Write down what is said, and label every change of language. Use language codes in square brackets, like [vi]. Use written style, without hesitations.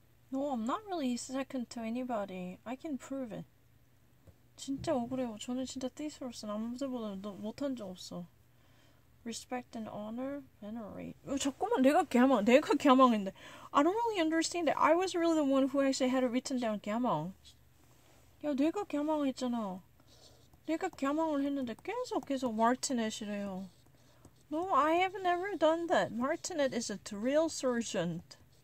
[en] No, I'm not really second to anybody. I can prove it. [ko] 진짜 억울해요. 저는 진짜 thesaurus는 아무들보다 못한 적 없어. [en] Respect and honor, venerate. [ko] 자꾸만 내가 갸망인데. [en] I don't really understand that. I was really the one who actually had it written down, 갸망. [ko] 야, 내가 갸망했잖아. 내가 갸망을 했는데 계속 Martinet이래요. [en] No, I have never done that. Martinet is a drill sergeant.